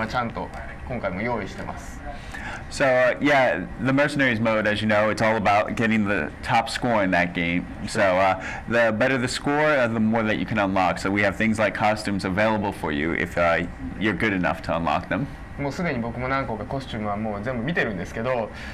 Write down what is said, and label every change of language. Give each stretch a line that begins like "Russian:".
Japanese: 以前のザ・マーセナリーズで、会場のなんかご褒美とか、カードスとかがプレイできるようになったんですけど、今回のザ・マーセナリーズでは、なんか、スコアがすごく重要なゲームなんで、そのスコアをある一定の、高いスコアを取ってくれると、会場できるコスチュームはちゃんと今回も用意してます。
English: So yeah, the Mercenaries mode, as you know, it's all about getting the top score in that game. So the better the score, the more that you can unlock. So we have things like costumes available for you if you're good enough to unlock them.
Japanese: もうすでに僕も何個かコスチュームはもう全部見てるんですけど。